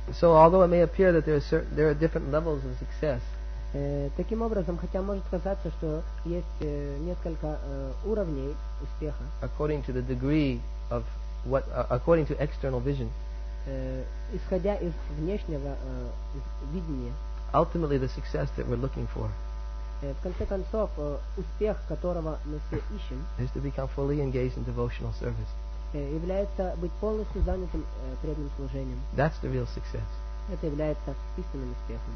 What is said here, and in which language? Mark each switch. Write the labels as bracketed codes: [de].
[en] So although it may appear that there are different levels of success. [ru] Таким образом, хотя может казаться, что есть несколько уровней успеха. [en] According to the degree of what, according to external vision. [ru] Исходя из внешнего видения. [en] Ultimately, the success that we're looking for. [ru] В конце концов, успех, которого мы все ищем. [en] Is to become fully engaged in devotional service. [ru] Является быть полностью занятым преданным служением. [en] That's the real success. [ru] Это является истинным успехом.